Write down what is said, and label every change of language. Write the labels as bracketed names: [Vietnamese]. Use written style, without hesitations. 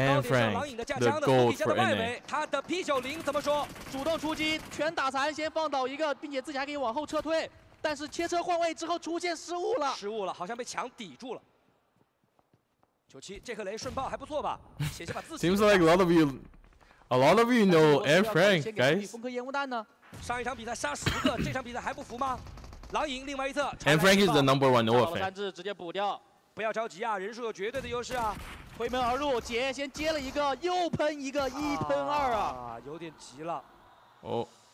[Chinese] 到底是狼影的架枪的，底下的外围，他的P90怎么说？主动出击，全打残，先放倒一个，并且自己还可以往后撤退，但是切车换位之后出现失误了，失误了，好像被墙抵住了。九七，这颗雷顺爆还不错吧？险些把自己。 [English] Seems like a lot of you know Air Frank, guys. [Chinese] 封颗烟雾弹呢？上一场比赛杀十个，这场比赛还不服吗？狼影另外一侧。 [English] Air Frank is the number one Noah fan. [Chinese] 三只直接补掉，不要着急啊，人数有绝对的优势啊。推门而入，杰先接了一个，又喷一个，一喷二啊。有点急了。哦。